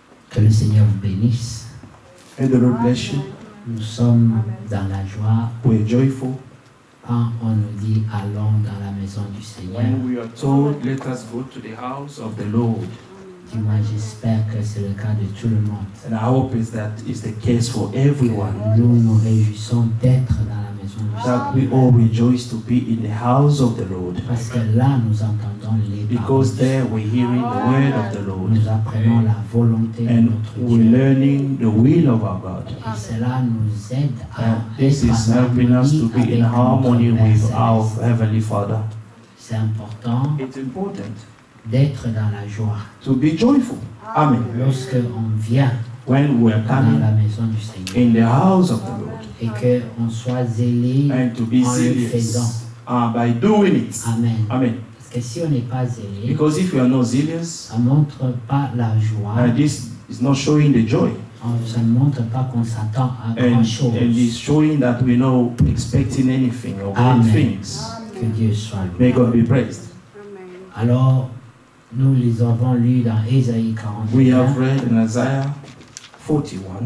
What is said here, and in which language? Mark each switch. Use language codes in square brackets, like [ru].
[fr] Que le Seigneur vous bénisse. [en] And the Lord bless you. [fr] Nous sommes dans la joie. [en] We're joyful. [fr] Quand on nous dit allons dans la maison du Seigneur. [en] When we are told, let us go to the house of the Lord. [fr] Dis-moi, j'espère que c'est le cas de tout le monde. [en] And I hope is that is the case for everyone. [fr] Nous nous réjouissons d'être dans la maison du [en] that That we all rejoice to be in the house of the Lord. [fr] Parce que là, nous entendons les paroles. [en] Because there we're hearing the word of the Lord. [fr] Nous apprenons la volonté de notre Dieu. [en] And we're learning the will of our God. [fr] Et cela nous aide à [en] this is helping us to be in harmony with our Heavenly Father. [fr] C'est important. [en] It's important. [fr] D'être dans la joie. [en] To be joyful. Amen. [fr] Lorsque on vient [en] when we are coming [fr] dans la maison du Seigneur. [en] In the house of the Lord. [fr] Et que on soit zélé [en] and to be [fr] en [en] zealous [fr] le faisant. [en] By doing it. Amen. Amen. [fr] Parce que si on n'est pas zélé, [en] because if we are not zealous, [fr] ça ne montre pas la joie. [en] And this is not showing the joy. [fr] Ça ne montre pas qu'on s'attend à grand chose. [en] And it's showing that we're not expecting anything or amen. Good things. [fr] Que Dieu soit loué. [en] May God be praised. [fr] Alors, nous les avons lus dans Ésaïe 41. [en] We have read in Isaiah 41.